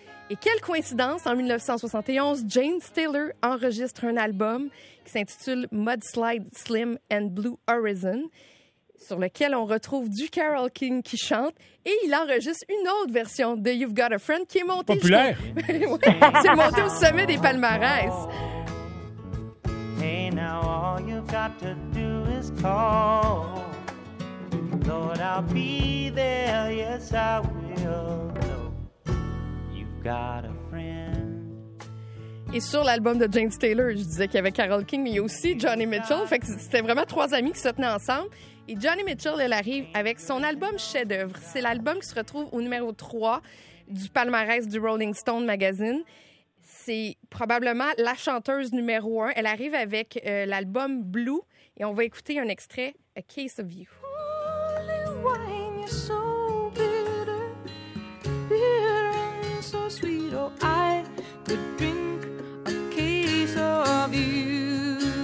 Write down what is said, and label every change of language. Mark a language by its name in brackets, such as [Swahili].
[French] Et quelle coïncidence, en 1971, James Taylor enregistre un album qui s'intitule Mudslide Slim and Blue Horizon, sur lequel on retrouve du Carole King qui chante, et il enregistre une autre version de You've Got a Friend qui est montée... Populaire! C'est monté au sommet des palmarès. [English] Hey, now all you've got to do is call. Lord, I'll be there, yes, I will. You've got a friend. [French] Et sur l'album de James Taylor, je disais qu'il y avait Carole King, mais il y a aussi Johnny Mitchell. Fait que c'était vraiment trois amis qui se tenaient ensemble. Et Johnny Mitchell, elle arrive avec son album chef-d'œuvre. C'est l'album qui se retrouve au numéro 3 du palmarès du Rolling Stone magazine. C'est probablement la chanteuse numéro 1. Elle arrive avec l'album Blue. Et on va écouter un extrait, A Case of You. [English] Holy wine, you're so bitter. Bitter and so sweet. Oh, I could drink a case of you.